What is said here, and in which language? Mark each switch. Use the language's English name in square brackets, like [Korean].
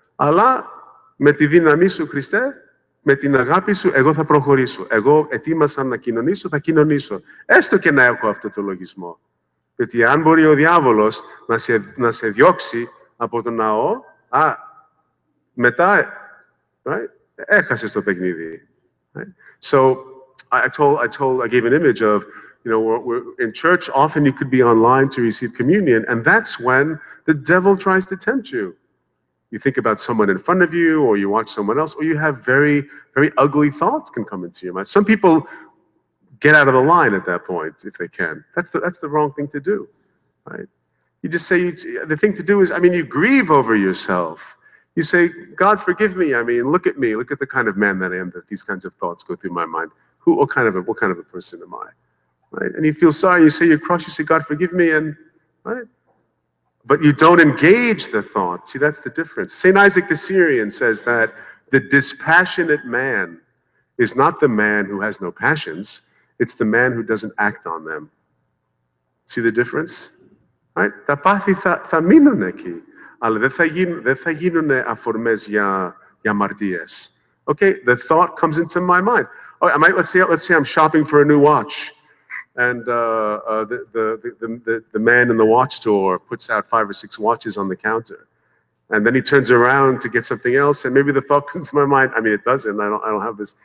[Greek] Αλλά με τη δύναμή σου, Χριστέ, με την αγάπη σου, εγώ θα προχωρήσω. Εγώ ετοίμασα να κοινωνήσω, θα κοινωνήσω. Έστω και να έχω αυτό το λογισμό. Γιατί αν μπορεί ο διάβολος να σε διώξει από τον ναό, μετά, right, έχασες το παιχνίδι. [English] Right? So, I gave an image of, you know, we're in church, often you could be online to receive communion, and that's when the devil tries to tempt you. You think about someone in front of you, or you watch someone else, or you have very, very ugly thoughts can come into your mind. Some people get out of the line at that point, if they can. That's the wrong thing to do, right? You just say, the thing to do is, I mean, you grieve over yourself. You say, God, forgive me. I mean, look at me. Look at the kind of man that I am, that these kinds of thoughts go through my mind. What kind of a person am I, right? And you feel sorry. You say, you're cross. You say, God, forgive me, and, right? But you don't engage the thought. See, that's the difference. St. Isaac the Syrian says that the dispassionate man is not the man who has no passions, it's the man who doesn't act on them. See the difference? Right? [Greek] Τα πάθη θα μείνουν εκεί, αλλά δεν θα γίνουν αφορμές για αμαρτίες. [English] Okay, the thought comes into my mind. All right, let's say I'm shopping for a new watch, and the man in the watch store puts out 5 or 6 watches on the counter, and then he turns around to get something else, and maybe the thought comes to my mind. I mean, it doesn't. I don't have this.